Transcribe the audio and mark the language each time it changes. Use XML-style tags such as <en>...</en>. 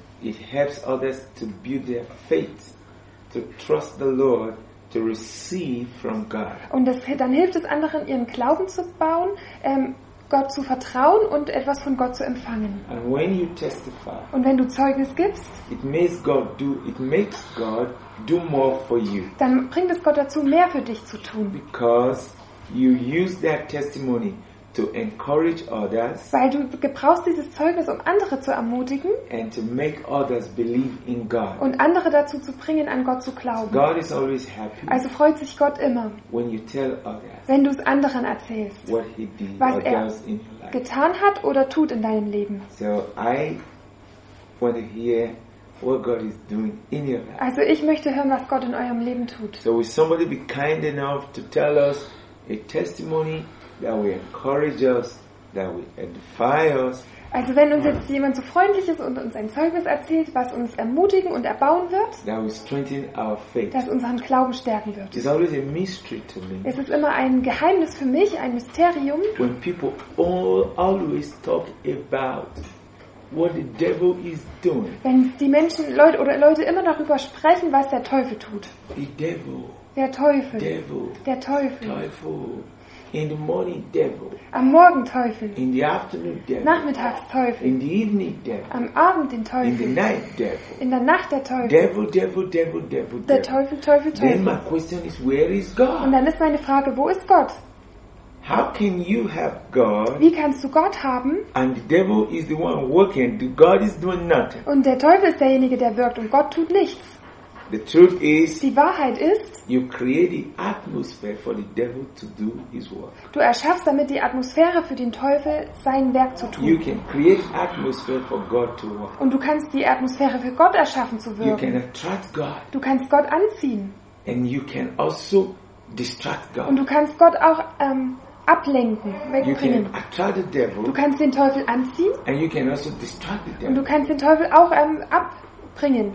<en>It helps others to build their faith, to trust the Lord, to receive from God.</en> <de>Und das, dann hilft es anderen, ihren Glauben zu bauen, Gott zu vertrauen und etwas von Gott zu empfangen.</de> <en>And when you testify,</en> <de>und wenn du Zeugnis gibst,</de> <en>it makes God do more for you.</en> <de>Dann bringt es Gott dazu, mehr für dich zu tun.</de> <en>Because you use that testimony to encourage others,</en> <de>weil du gebrauchst dieses Zeugnis, um andere zu ermutigen,</de> <en>and to make others believe in God.</en> <de>Und andere dazu zu bringen, an Gott zu glauben.</de> <en>So God is always happy,</en> <de>also freut sich Gott immer,</de> <en>when you tell others,</en> <de>wenn du es anderen erzählst,</de> <en>what he did,</en> <de>was</de> <en>or</en> <de>er</de> <en>does in your life.</en> <de>Getan hat oder tut in deinem Leben.</de> <en>So I want to hear what God is doing in your life.</en> <de>Also ich möchte hören, was Gott in eurem Leben tut.</de> <en>So will somebody be kind enough to tell us a testimony that will encourage us, that will edify us.</en> <de>Also wenn uns jetzt jemand so freundlich ist und uns ein Zeugnis erzählt, was uns ermutigen und erbauen wird,</de> <en>that will strengthen our faith.</en> <de>Das unseren Glauben stärken wird.</de> <en>It's always a mystery to me.</en> <de>Es ist immer ein Geheimnis für mich, ein Mysterium.</de> <en>When people always talk about what the devil is doing.</en> <de>Wenn die Menschen, Leute oder Leute immer darüber sprechen, was der Teufel tut.</de> <en>The devil.</en> <de>Der Teufel.</de> <en>Devil.</en> <de>Der Teufel. Teufel.</de> <en>In the morning devil.</en> <de>Am Morgen Teufel.</de> <en>In the afternoon devil.</en> <de>Nachmittags Teufel.</de> <en>In the evening devil.</en> <de>Am Abend den Teufel.</de> <en>In the night devil.</en> <de>In der Nacht der Teufel.</de> <en>Devil, devil, devil, devil, devil.</en> <de>Der Teufel, Teufel, Teufel.</de> <en>Then my question is, where is God?</en> <de>Und dann ist meine Frage, wo ist Gott?</de> <en>How can you have God?</en> <de>Wie kannst du Gott haben?</de> <en>And the devil is the one working. The God is doing nothing.</en> <de>Und der Teufel ist derjenige, der wirkt, und Gott tut nichts.</de> <en>The truth is,</en> <de>die Wahrheit ist,</de> <en>you create the atmosphere for the devil to do his work.</en> <de>Du erschaffst damit die Atmosphäre für den Teufel, sein Werk zu tun.</de> <en>You can create atmosphere for God to work.</en> <de>Und du kannst die Atmosphäre für Gott erschaffen zu wirken.</de> <en>You can attract God.</en> <de>Du kannst Gott anziehen.</de> <en>And you can also distract God.</en> <de>Und du kannst Gott auch ablenken, wegbringen.</de> <en>You can attract the devil.</en> <de>Du kannst den Teufel anziehen.</de> <en>And you can also distract the devil.</en> <de>Und du kannst den Teufel auch abbringen.</de>